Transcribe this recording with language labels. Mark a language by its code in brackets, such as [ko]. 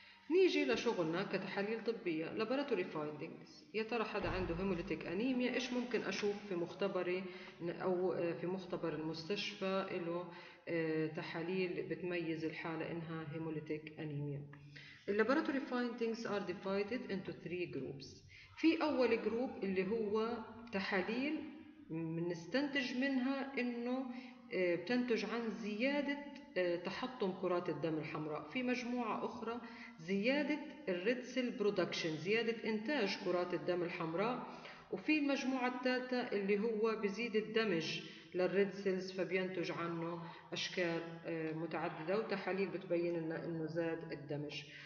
[ar] نيجي لشغلنا كتحاليل طبية laboratory findings. يا ترى حدا عنده hemolytic anemia إيش ممكن أشوف في مختبري أو في مختبر المستشفى له تحاليل بتميز الحالة إنها hemolytic anemia. [en] The laboratory findings are divided into three groups. [ar] في أول group اللي هو تحاليل بنستنتج منها إنه بتنتج عن زيادة تحطم كرات الدم الحمراء. في مجموعة أخرى زيادة الريد سيل برودكشن، زيادة إنتاج كرات الدم الحمراء، وفي المجموعة الثالثة اللي هو بزيد الدمج للريد سيلز فبينتج عنه أشكال متعددة وتحاليل بتبين لنا إنه زاد الدمج.